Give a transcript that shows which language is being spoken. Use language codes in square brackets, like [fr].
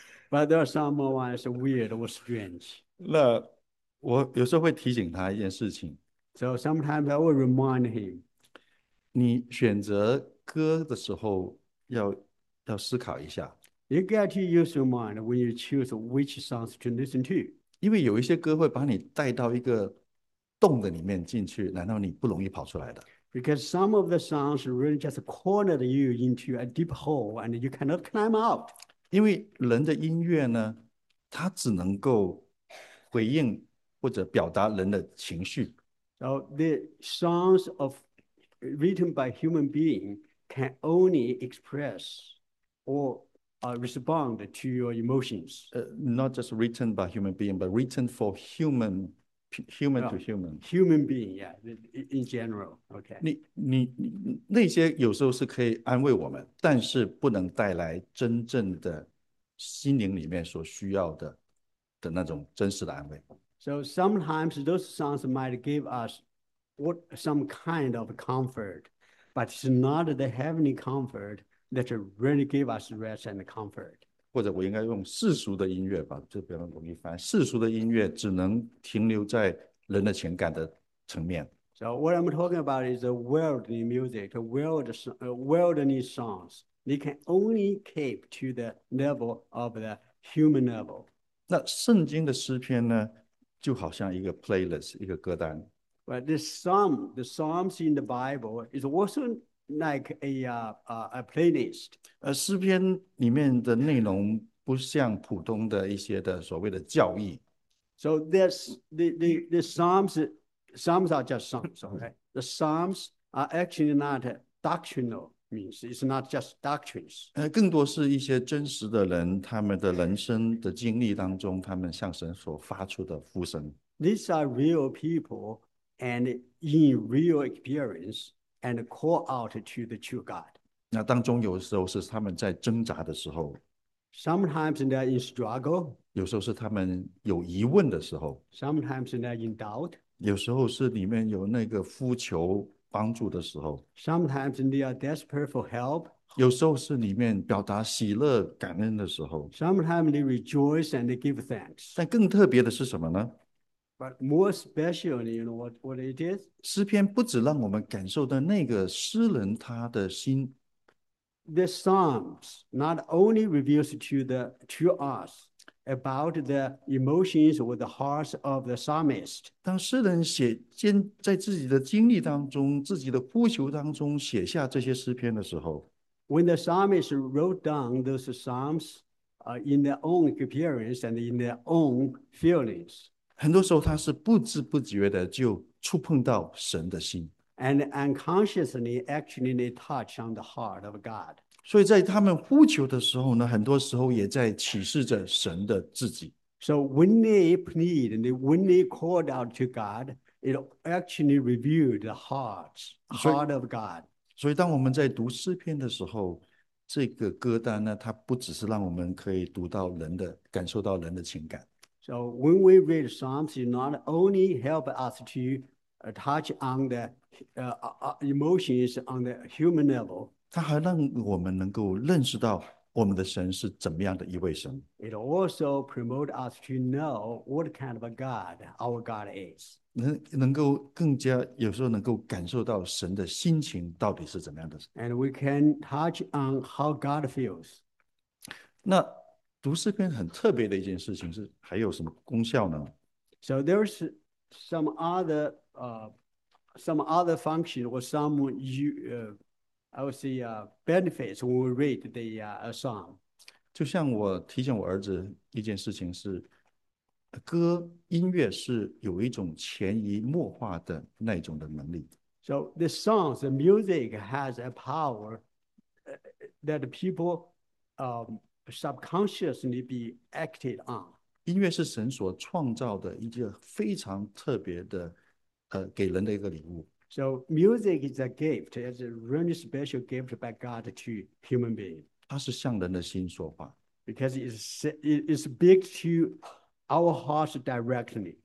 [en] but there are some ones weird or strange. [zh] 那我有时候会提醒他一件事情： [en] So sometimes I will remind him. [zh] 你选择歌的时候要思考一下， [en] You get to use your mind when you choose which songs to listen to. [zh] 因为有一些歌会把你带到一个洞的里面进去，难道你不容易跑出来的？ [en] Because some of the songs really just cornered you into a deep hole and you cannot climb out. [zh] 因为人的音乐呢，它只能够回应或者表达人的情绪。 [en] So the songs of written by human being can only express or respond to your emotions. Not just written by human being, but written for human to human. Human being, yeah, in general, okay. [zh] 你那些有时候是可以安慰我们，但是不能带来真正的心灵里面所需要的。的那种真实的安慰。 [en] So sometimes those songs might give us what some kind of comfort, but it's not the heavenly comfort that really give us rest and comfort. [zh] 或者我应该用世俗的音乐吧，这比较容易翻。世俗的音乐只能停留在人的情感的层面。 [en] So what I'm talking about is the worldly music, the worldly songs. They can only keep to the level of the human level. [zh] 那圣经的诗篇呢，就好像一个 playlist, 一个歌单。 [en] But this psalm, the psalms in the Bible is also like a playlist. [zh] 诗篇里面的内容不像普通的一些的所谓的教义。 [en] So this, the psalms are just psalms, okay? The psalms are actually not doctrinal means. It's not just doctrines. [zh] 更多是一些真实的人，他们的人生的经历当中，他们向神所发出的呼声。 [en] These are real people and in real experience and call out to the true God. [zh] 那当中有时候是他们在挣扎的时候。 [en] Sometimes they are in struggle. [zh] 有时候是他们有疑问的时候。 [en] Sometimes they are in doubt. [zh] 有时候是里面有那个呼求帮助的时候。 [en] Sometimes they are desperate for help. [zh] 有时候是里面表达喜乐感恩的时候。 [en] Sometimes they rejoice and they give thanks. [zh] 但更特别的是什么呢？ [en] But more especially, you know what it is? [zh] 诗篇不只让我们感受到那个诗人他的心。 [en] The Psalms not only reveals to us,about the emotions or the hearts of the psalmist. [zh] 当诗人写在自己的经历当中，自己的呼求当中写下这些诗篇的时候， [en] When the psalmist wrote down those psalms, in their own experience and in their own feelings, [zh] 很多时候他是不知不觉的就触碰到神的心。 [en] And unconsciously, actually, they touch on the heart of God. [zh] 所以在他们呼求的时候呢，很多时候也在启示着神的自己。 [en] So when they plead and when they called out to God, it actually revealed the heart of God. [zh] 所以当我们在读诗篇的时候，这个歌单呢，它不只是让我们可以读到人的，感受到人的情感。 [en] So when we read Psalms, it not only help us to touch on the emotions on the human level, [zh] 它还让我们能够认识到我们的神是怎么样的一位神。 [en] It also promotes us to know what kind of a God our God is. [zh] 能够更加有时候能够感受到神的心情到底是怎么样的。 [en] And we can touch on how God feels. [zh] 那读诗篇很特别的一件事情是还有什么功效呢？ [en] So there's some other function or some I would say benefits when we read the psalm. [zh] 就像我提醒我儿子一件事情是，歌音乐是有一种潜移默化的那种的能力。 [en] So the songs, the music has a power that people subconsciously be acted on. [zh] 音乐是神所创造的一个非常特别的，给人的一个礼物。 [en] So music is a gift, it's a really special gift by God to human being. [zh] 它是向人的心说话。 [en] Because it speaks to our hearts directly.